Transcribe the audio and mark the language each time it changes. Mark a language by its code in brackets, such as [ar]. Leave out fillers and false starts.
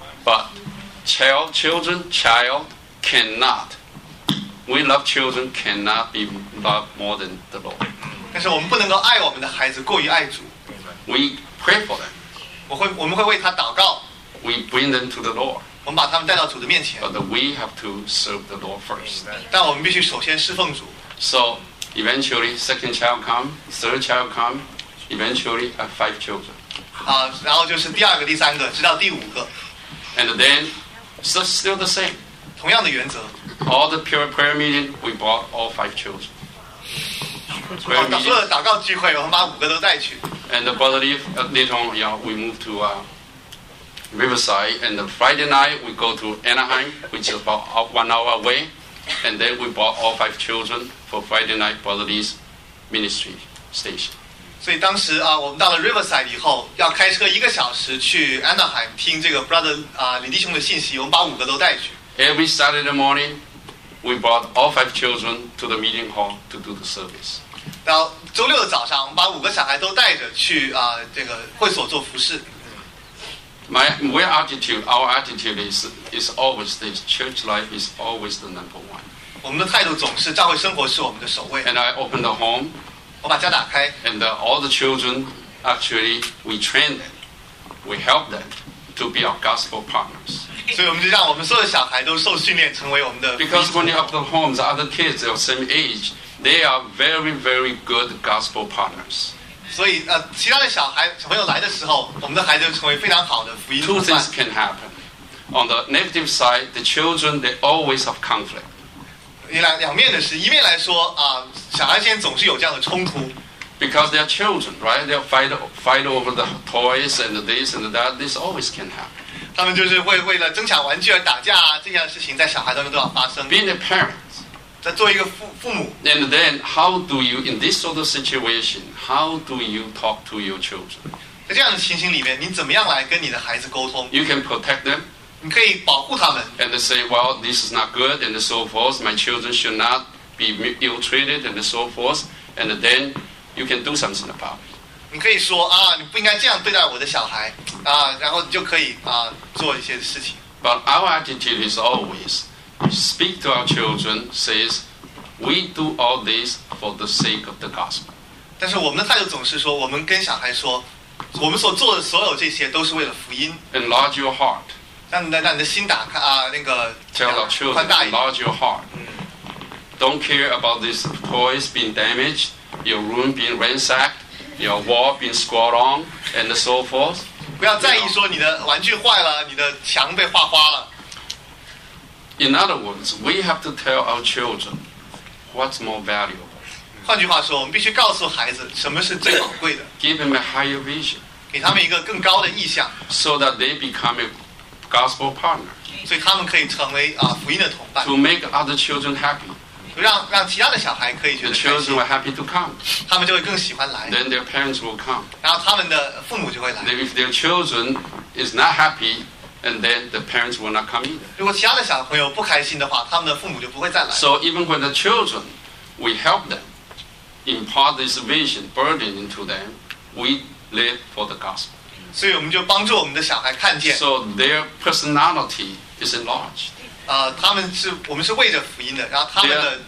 [en] But children cannot, we love children cannot be loved more than the Lord. [zh] 但是我们不能够爱我们的孩子过于爱主。 [en] We pray for them. [zh] 我们会为他祷告。 [en] We bring them to the Lord. [zh] 我们把他们带到主的面前。 [en] But we have to serve the Lord first. [zh] 但我们必须首先侍奉主。 [en] So eventually second child come, third child come, eventually have five children. [zh] 然后就是第二个第三个直到第五个。 [en] And then so still the same. [zh] 同样的原则。 [en] All the pure prayer meeting, we brought all five children. [zh] 除了祷告聚会，我们把五个都带去。 [en] And the brother later on, yeah, we moved to Riverside, and the Friday night we go to Anaheim, which is about 1 hour away, and then we brought all five children for Friday night brother's ministry station. [zh] 所以当时我们到了 Riverside 以后，要开车一个小时去 Anaheim 听这个 brother 李弟兄的信息，我们把五个都带去。 [en] Every Saturday morning, we brought all five children to the meeting hall to do the service. [zh] 到周六的早上，我们把五个小孩都带着去这个会所做服事。 [en] Our attitude is always this. Church life is always the number one. [zh] 我们的态度总是教会生活是我们的首位。 [en] And I opened the home. [zh] 我把家打开。 [en] And all the children, actually, we train them, we help them to be our gospel partners. [zh] 所以我们就让我们所有的小孩都受训练，成为我们的。 [en] Because when you have the homes, other kids of same age, they are very, very good gospel partners. [zh] 所以其他的小朋友来的时候，我们的孩子就成为非常好的福音。 [en] Two things can happen. On the negative side, the children they always have conflict. [zh] 一面来说小孩之间总是有这样的冲突。 [en] Because they are children, right? They'll fight over the toys and this and that. This always can happen. [zh] 他们就是会为了争抢玩具而打架啊，这样的事情在小孩当中都要发生。 [en] Being a parent， [zh] 在做一个父母。 [en] And then how do you in this sort of situation? How do you talk to your children? [zh] 在这样的情形里面，你怎么样来跟你的孩子沟通 [en] ？You can protect them。 [zh] 你可以保护他们。 [en] And say, well, this is not good, and so forth. My children should not be ill-treated, and so forth. And then you can do something about it. [zh] 你可以说你不应该这样对待我的小孩然后就可以做一些事情。 [en] But our attitude is always speak to our children, says we do all this for the sake of the gospel. [zh] 但是我们的态度总是说，我们跟小孩说，我们所做的所有这些都是为了福音。 [en] Enlarge your heart. [zh] 让你的心打开那个。 [en] Tell our children, enlarge your heart. Don't care about these toys being damaged, your room being ransacked. Your wall being squat on and so forth. [zh] 不要在意说你的玩具坏了，你的墙被画花了。 [en] In other words, we have to tell our children what's more valuable. [zh] 换句话说，我们必须告诉孩子什么是最宝贵的。 [en] Give them a higher vision. [zh] 给他们一个更高的意向。 [en] So that they become a gospel partner. [zh] 所以他们可以成为福音的同伴。 [en] To make other children happy. [zh] 让其他的小孩可以觉得开心。 [en] The children were happy to come. [zh] 他们就会更喜欢来。 [en] Then their parents will come. [zh] 然后他们的父母就会来。 [en] If their children is not happy, and then the parents will not come either. [zh] 如果其他的小朋友不开心的话，他们的父母就不会再来。 [en] So even when the children, we help them, impart this vision burden into them, we live for the gospel. [zh] 所以我们就帮助我们的小孩看见。 [en] So their personality is enlarged. [zh] 他们是我们是为着福音的，然后他们的